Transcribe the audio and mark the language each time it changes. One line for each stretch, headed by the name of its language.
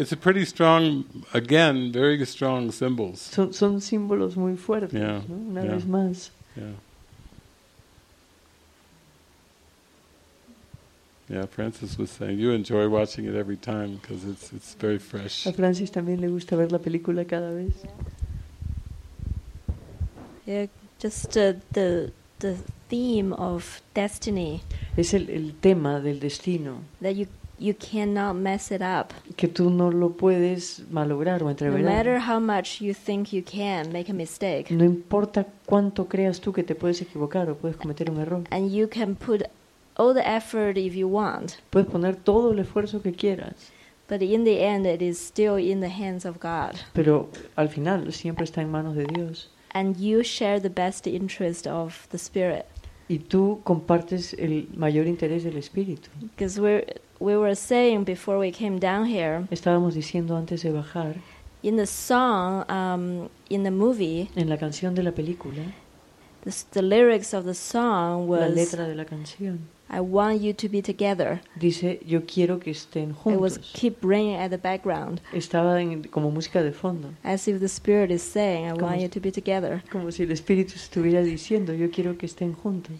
English: It's a pretty strong, again, very strong symbols.
Spanish: Son símbolos muy fuertes. Yeah. ¿No? Una vez más.
English: Yeah. Yeah. Francis was saying you enjoy watching it every time because it's very fresh.
Spanish: A Francis también le gusta ver la película cada vez.
English: Yeah. Just the theme of destiny.
Spanish: Es el tema del destino.
English: That you cannot mess it up.
Spanish: Que tú no lo puedes malograr o entreverar.
English: No matter how much you think you can make a mistake.
Spanish: No importa cuánto creas tú que te puedes equivocar o puedes cometer un error.
English: And you can put all the effort if you want.
Spanish: Puedes poner todo el esfuerzo que quieras.
English: But in the end it is still in the hands of God.
Spanish: Pero al final siempre está en manos de Dios.
English: And you share the best interest of the Spirit.
Spanish: Y tú compartes el mayor interés del Espíritu.
English: Because we were saying before we came down here.
Spanish: Estábamos diciendo antes de bajar.
English: In the song, in the movie.
Spanish: En la canción de la película.
English: The lyrics of the song was.
Spanish: La letra de la canción.
English: I want you to be together.
Spanish: Dice yo quiero que estén juntos.
English: It was keep ringing at the background.
Spanish: Estaba en, como música de fondo.
English: As if the spirit is saying, I want you to be together.
Spanish: Como si el espíritu estuviera diciendo yo quiero que estén juntos.